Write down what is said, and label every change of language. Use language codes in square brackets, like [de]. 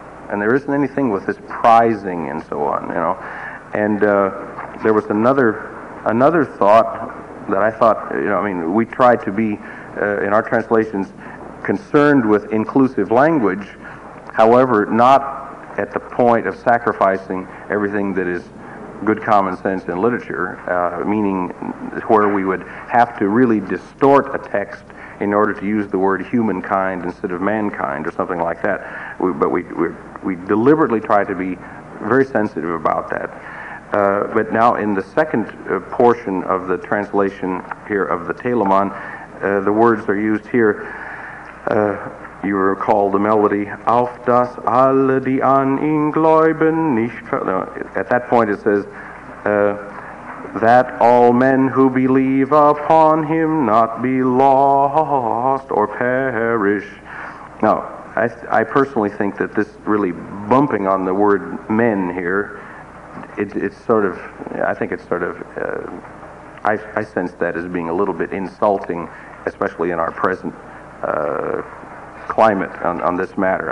[en] And there isn't anything with this prizing and so on, And there was another thought that I thought, we try to be, in our translations, concerned with inclusive language, however, not at the point of sacrificing everything that is good common sense in literature, meaning where we would have to really distort a text in order to use the word humankind instead of mankind or something like that. But we deliberately try to be very sensitive about that. But now in the second portion of the translation here of the Telemann, the words are used here. You recall the melody, [de] "Auf das alle die an ihn gläuben nicht." [en] At that point it says, "that all men who believe upon him not be lost or perish." Now, I personally think that this really bumping on the word "men" here, I sense that as being a little bit insulting, especially in our present climate on this matter.